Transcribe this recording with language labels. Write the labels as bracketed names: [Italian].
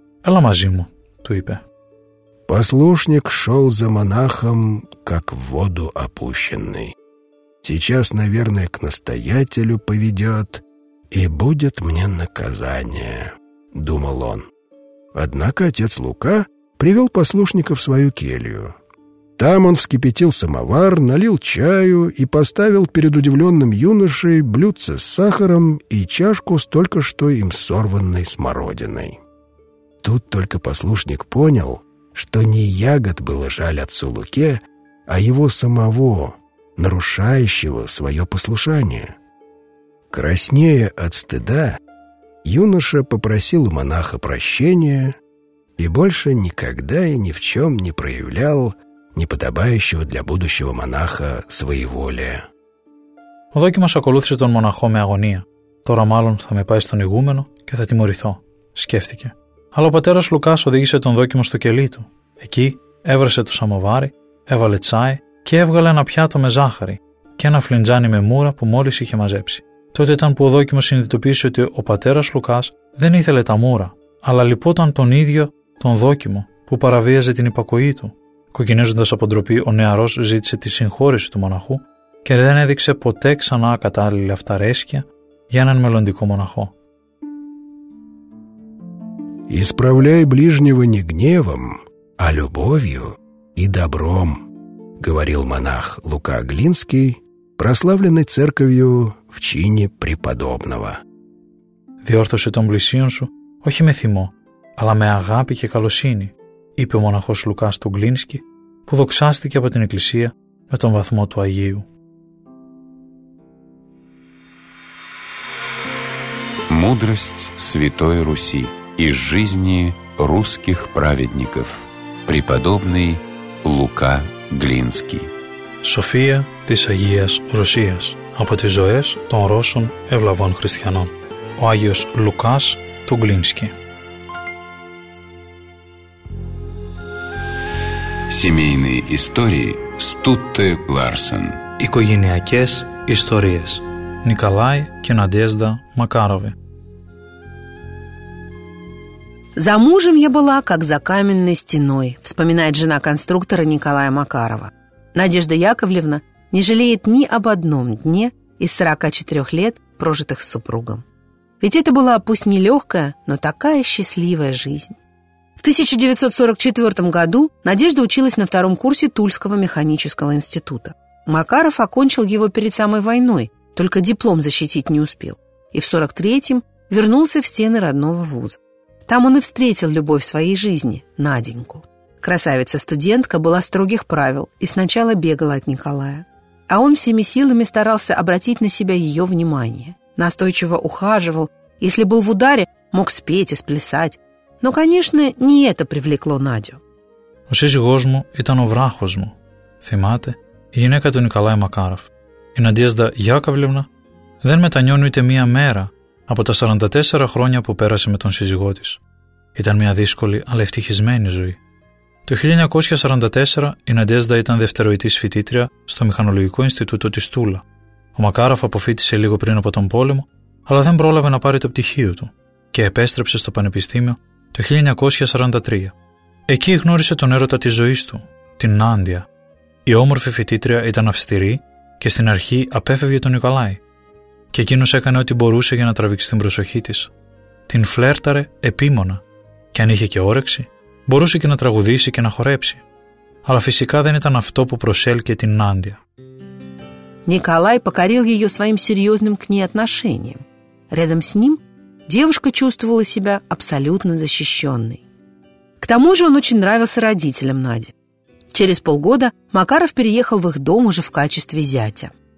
[Greek] Έλα μαζί μου, του είπε. [Russian] Послушник шел за монахом, как в воду опущенный. Сейчас, наверное, к настоятелю поведет, и будет мне наказание, думал он. Однако отец Лука привел послушника в свою келью. Там он вскипятил самовар, налил чаю и поставил перед удивленным юношей блюдце с сахаром и чашку с только что им сорванной смородиной. Тут только послушник понял, что не ягод было жаль отцу Луке, а его самого, нарушающего свое послушание. Краснея от стыда, юноша попросил у монаха прощения и больше никогда и ни в чем не проявлял неподобающего для будущего монаха своеволия. [Greek] Ο δόκιμος ακολούθησε τον μοναχό με αγωνία. «Τώρα μάλλον θα με πάει στον ηγούμενο και θα τιμωρηθώ», σκέφτηκε. Αλλά ο πατέρας Λουκάς οδήγησε τον δόκιμο στο κελί του. Εκεί έβρασε το σαμοβάρι, έβαλε τσάι και έβγαλε ένα πιάτο με ζάχαρη και ένα φλιντζάνι με μούρα που μόλις είχε μαζέψει. Τότε ήταν που ο δόκιμος συνειδητοποίησε ότι ο πατέρας Λουκάς δεν ήθελε τα μούρα, αλλά λυπόταν τον ίδιο τον δόκιμο που παραβίαζε την υπακοή του. Κοκκινίζοντας από ντροπή, ο νεαρός ζήτησε τη συγχώρηση του μοναχού και δεν έδειξε ποτέ ξανά ακατάλληλη αυταρέσκεια για έναν μελλοντικό μοναχό. [Russian] «Исправляй ближнего не гневом, а любовью и добром», говорил монах Лука Глинский, прославленный церковью в чине преподобного. [Greek] «Διόρθωσε τον πλησίον σου όχι με θυμό, αλλά με αγάπη και καλοσύνη», είπε ο μοναχός Λουκάς του Γκλίνσκι, που δοξάστηκε από την Εκκλησία με τον βαθμό του Αγίου. [Russian] Мудрость Святой Руси из жизни русских праведников. Преподобный Лука Глинский. [Greek] Σοφία της Αγίας Ρωσίας από τις ζωές των Ρώσων ευλαβών χριστιανών. Ο Άγιος Λουκάς του Γκλίνσκι. [Russian] Семейные истории Стутте Ларсен. [Greek] Οικογενειακές ιστορίες. [Russian] Николай και Надежда Макарови. «За мужем я была, как за каменной стеной», вспоминает жена конструктора Николая Макарова. Надежда Яковлевна не жалеет ни об одном дне из 44 лет, прожитых с супругом. Ведь это была, пусть не легкая, но такая счастливая жизнь. В 1944 году Надежда училась на втором курсе Тульского механического института. Макаров окончил его перед самой войной, только диплом защитить не успел. И в 43-м вернулся в стены родного вуза. Там он и встретил любовь своей жизни, Наденьку. Красавица-студентка была строгих правил и сначала бегала от Николая. А он всеми силами старался обратить на себя ее внимание. Настойчиво ухаживал, если был в ударе, мог спеть и сплясать. Но, конечно, не это привлекло Надю. [Greek] «Ο σύζυγός μου ήταν ο βράχος μου», θυμάται η γυναίκα του Νικολάη Μακάροφ. Η Надежда Яковлевна δεν μετανιώνει ούτε μία μέρα από τα 44 χρόνια που πέρασε με τον σύζυγό της. Ήταν μια δύσκολη αλλά ευτυχισμένη ζωή. Το 1944 η Надежда ήταν δευτεροετής φοιτήτρια στο Μηχανολογικό Ινστιτούτο της Τούλα. Ο Μακάροφ αποφύτησε λίγο πριν από τον πόλεμο, αλλά δεν πρόλαβε να πάρει το πτυχίο του και επέστρεψε στο Πανεπιστήμιο το 1943. Εκεί γνώρισε τον έρωτα της ζωής του, την Νάντια. Η όμορφη φοιτήτρια ήταν αυστηρή και στην αρχή απέφευγε τον Νικολάη. Και εκείνος έκανε ό,τι μπορούσε για να τραβήξει την προσοχή της. την φλέρταρε επίμονα και αν είχε και όρεξη, μπορούσε και να τραγουδήσει και να χορέψει. Αλλά φυσικά δεν ήταν αυτό που προσέλκε την Νάντια. [Russian] Николай покорил ее своим серьезным к ней отношением. Рядом с ним девушка чувствовала себя абсолютно защищенной. К тому же он очень нравился родителям Нади. Через полгода Макаров переехал в их дом уже в качестве зятя.